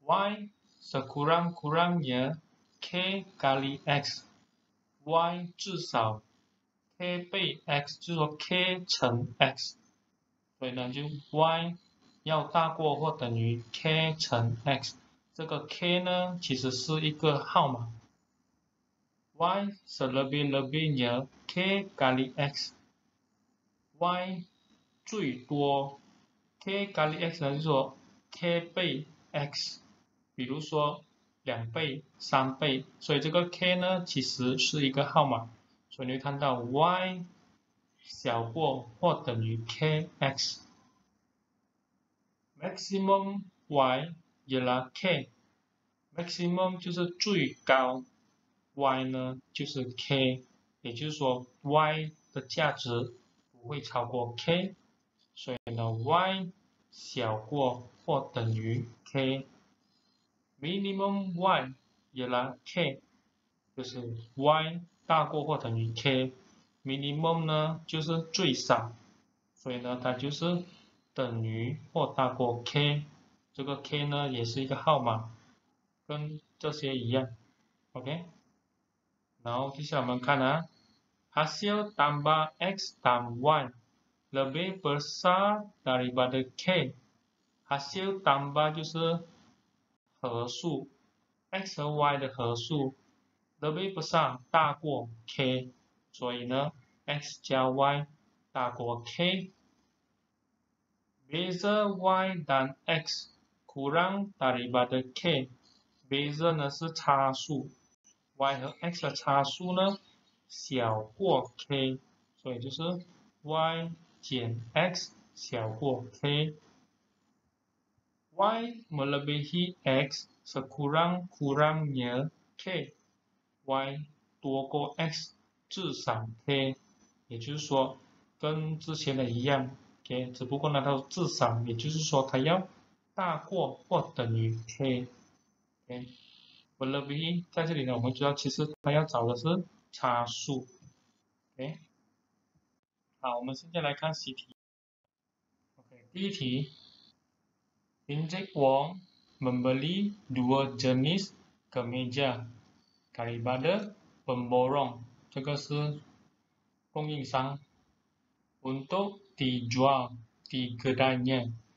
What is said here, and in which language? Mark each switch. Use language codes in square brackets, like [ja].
[ms] y sekurang-kurangnya k kali x， [zh] y 至少 k 倍 x，就是说 k 乘 x，所以呢就 y 要大过或等于 k 乘 x，这个 k 呢其实是一个号码。 [ms] y selebih-lebihnya k kali x， [zh] y 最多 k kali x 呢就是说 k 倍 x。比如说两倍、三倍，所以这个 k 呢其实是一个号码，所以你会看到 y 小过或等于 kx。 maximum y 也拉 k，maximum 就是最高，y 呢就是 k，也就是说 y 的价值不会超过 k，所以呢 y 小过或等于 k。 minimum y 也拉 k，就是 y 大过或等于 k。 minimum 呢就是最少，所以呢它就是等于或大过 k。这个 k 呢也是一个号码，跟这些一样。 [ms] OK， [zh] 然后接下来我们看啊， [ms] hasil tambah x tambah y lebih besar daripada k。 [zh] hasil tambah 就是和数，x 和 y 的和数，lebih besar 大过 k，所以呢，x 加 y 大过 k。 [ms] Beza y dan x kurang daripada k， [zh] beza 呢是差数，y 和 x 的差数呢小过 k，所以就是 y 减 x 小过 k。 [ms] y melebihi x sekurang-kurangnya k， [zh] y 多过 x 至少 k，也就是说跟之前的一样，k，只不过呢它至少，也就是说它要大过或等于 k，melebihi 在这里呢，我们知道其实它要找的是差数，k。好，我们现在来看习题，OK，第一题。 [ms] Encik Wong membeli dua jenis kemeja daripada pemborong. Juga pengingsang untuk dijual di kedainya.